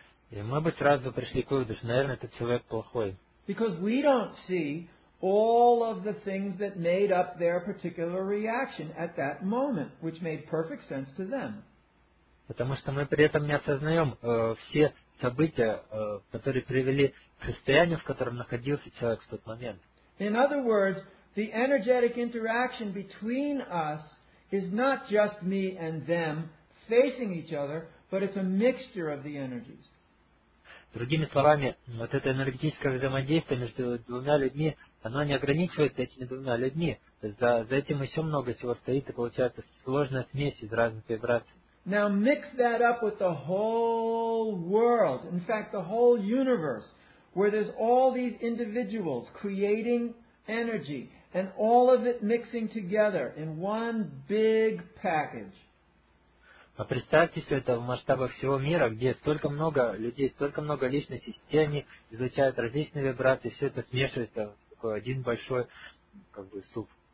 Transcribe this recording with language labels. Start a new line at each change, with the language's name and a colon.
Russian: И мы бы сразу пришли к выводу, что, наверное, этот человек плохой.
English: Because we don't see all of the things that made up their particular reaction at that moment, which made perfect sense to them.
Russian: Потому что мы при этом не осознаем все события, которые привели к состоянию, в котором находился человек в тот момент.
English: In other words, the energetic interaction between us is not just me and them facing each other, but it's a mixture of the energies.
Russian: Другими словами, вот это энергетическое взаимодействие между двумя людьми, оно не ограничивается этими двумя людьми. За этим еще много чего стоит, и получается сложная смесь из разных вибраций.
English: Now mix that up with the whole world, in fact the whole universe, where there's all these individuals creating energy, and all of it mixing together in one big package.
Russian: А представьте все это в масштабах всего мира, где столько много людей, столько много личностей, все они излучают различные вибрации, все это смешивается в такой один большой как бы суп.